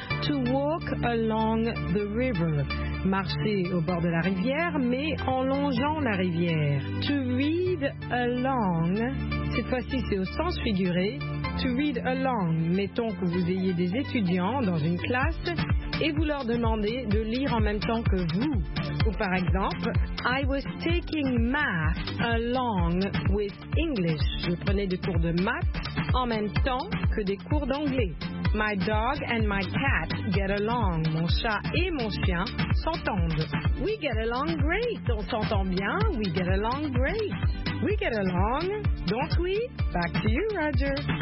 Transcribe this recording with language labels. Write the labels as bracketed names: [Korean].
[English] to walk along the river, [French] marcher au bord de la rivière mais en longeant la rivière, [English] to read along, [French] cette fois-ci c'est au sens figuré, to read along, mettons que vous ayez des étudiants dans une classe et vous leur demandez de lire en même temps que vous. Ou par exemple, [English] I was taking math along with English. [French] Je prenais des cours de maths en même temps que des cours d'anglais. [English] My dog and my cat get along. [French] Mon chat et mon chien s'entendent. [English] We get along great. [French] On s'entend bien. [English] We get along great. We get along, don't we? Back to you, Roger.